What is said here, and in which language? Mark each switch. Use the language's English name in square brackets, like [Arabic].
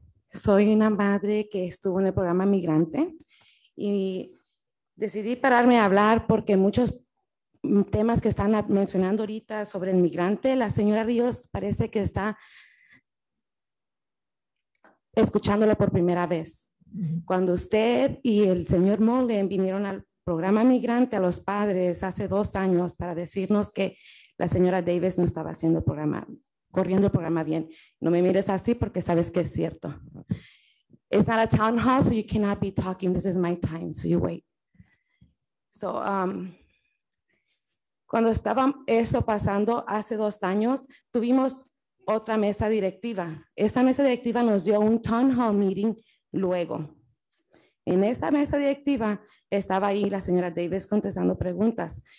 [Spanish] Soy una madre que estuvo en el programa migrante y decidí pararme a hablar porque muchos temas que están mencionando ahorita sobre el migrante, la señora Ríos parece que está escuchándolo por primera vez. Cuando usted y el señor Mullen vinieron al programa migrante a los padres hace 2 años para decirnos que la señora Davis no estaba haciendo el programa, corriendo el programa bien. No me mires así porque sabes que es cierto. [English] It's not a town hall, so you cannot be talking. This is my time, so you wait. [Spanish] So, cuando estaba eso pasando hace 2 años, tuvimos otra mesa directiva. Esa mesa directiva nos dio un town hall meeting. Luego, en esa mesa directiva estaba ahí la señora Davis contestando preguntas.